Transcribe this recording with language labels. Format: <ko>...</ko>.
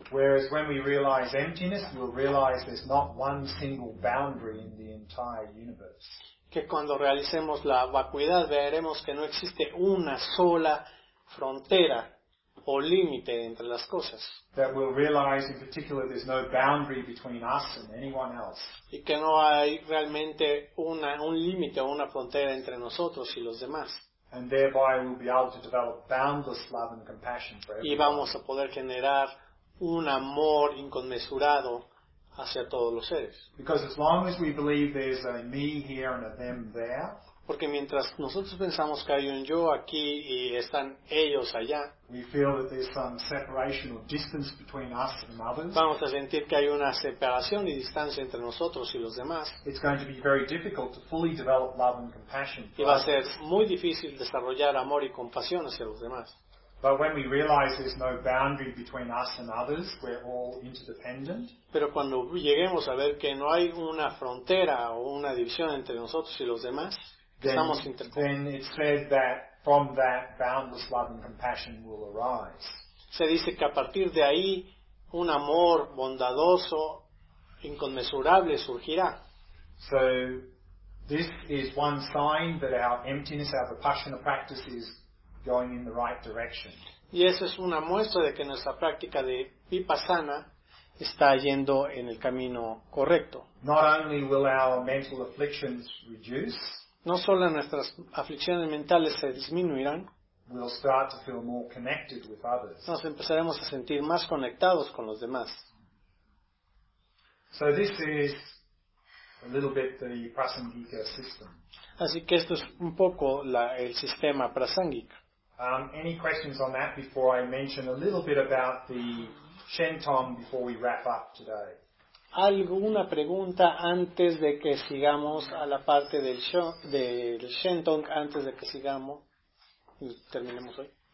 <en>Whereas when we realize emptiness, we'll realize there's not one single boundary in the entire universe.</en> <es>Que cuando realicemos la vacuidad veremos que no existe una sola frontera o límite entre las cosas.</es> <en>That we'll realize in particular there's no boundary between us and anyone else.</en> <es>Y que no hay realmente un límite o una frontera entre nosotros y los demás.</es> <en>And thereby we'll be able to develop boundless love and compassion for everyone.</en> <es>Y vamos a poder generar un amor inconmensurado hacia todos los seres.</es> <en>Because as long as we believe there's a me here and a them there,</en> <es>Porque mientras nosotros pensamos que hay un yo aquí y están ellos allá,</es> <en>we feel that there's some separation or distance between us and others,</en> <es>vamos a sentir que hay una separación y distancia entre nosotros y los demás.</es> <en>It's going to be very difficult to fully develop love and compassion.</en> <es>Y va a ser muy difícil desarrollar amor y compasión hacia los demás.</es> <en>But when we realize there's no boundary between us and others, we're all interdependent.</en> <es>Pero cuando lleguemos a ver que no hay una frontera o una división entre nosotros y los demás,</es> <en>then it's said that from that boundless love and compassion will arise.</en> <es>Se dice que a partir de ahí un amor bondadoso, inconmensurable surgirá.</es> <en>So this is one sign that our emptiness, our vipassana practice is going in the right direction.</en> <es>Y eso es una muestra de que nuestra práctica de vipassana está yendo en el camino correcto.</es> <en>Not only will our mental afflictions reduce,</en> <es>no solo nuestras aflicciones mentales se disminuirán,</es> <en>we'll start to feel more connected with others.</en> <es>Nos empezaremos a sentir más conectados con los demás.</es> <en>So this is a little bit the prasangika system.</en> <es>Así que esto es un poco el sistema prasangika.</es> <en>Any questions on that before I mention a little bit about the Shentong before we wrap up today?</en> <es>¿Alguna pregunta antes de que sigamos a la parte del Shentong, antes de que sigamos y terminemos hoy?</es>